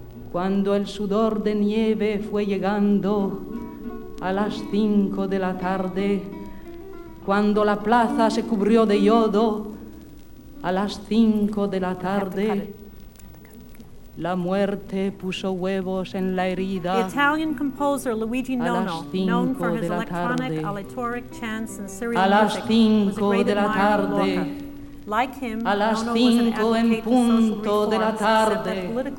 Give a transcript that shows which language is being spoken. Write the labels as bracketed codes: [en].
[es] Cuando el sudor de nieve fue llegando a las cinco de la tarde, cuando la plaza se cubrió de yodo a las cinco de la tarde, la muerte puso huevos en la herida. [en] The Italian composer Luigi Nono, known for his electronic aleatoric chants and Syrian music, was a great admirer of Lorca. Like him, [es] a las cinco en punto de la tarde.